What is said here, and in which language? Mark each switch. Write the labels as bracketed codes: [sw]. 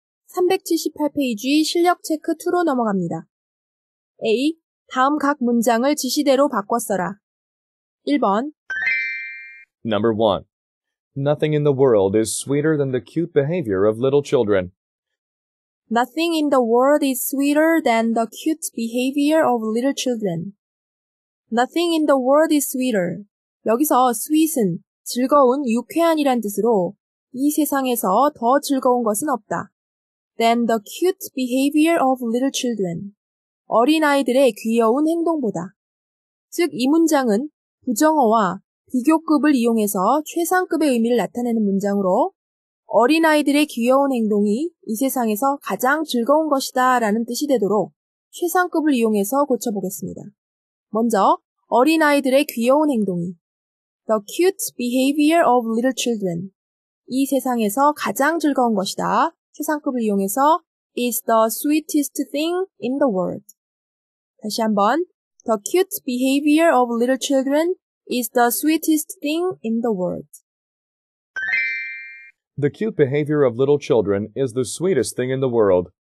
[ko] 178페이지 실력체크 2로 넘어갑니다. A. 다음 각 문장을 지시대로 바꿔 써라. 1번 [en] Number 1. Nothing in the world is sweeter than the cute behavior of little children. Nothing in the world is sweeter than the cute behavior of little children. Nothing in the world is sweeter. [ko] 여기서 sweet은 즐거운, 유쾌한이란 뜻으로 이 세상에서 더 즐거운 것은 없다. [en] Than the cute behavior of little children. [ko] 어린아이들의 귀여운 행동보다. 즉, 이 문장은 부정어와 비교급을 이용해서 최상급의 의미를 나타내는 문장으로 어린아이들의 귀여운 행동이 이 세상에서 가장 즐거운 것이다 라는 뜻이 되도록 최상급을 이용해서 고쳐보겠습니다. 먼저, 어린아이들의 귀여운 행동이 [en] The cute behavior of little children. [ko] 이 세상에서 가장 즐거운 것이다. 최상급을 이용해서 [en] is the sweetest thing in the world. [ko] 다시 한번 [en] The cute behavior of little children is the sweetest thing in the world. The cute behavior of little children is the sweetest thing in the world.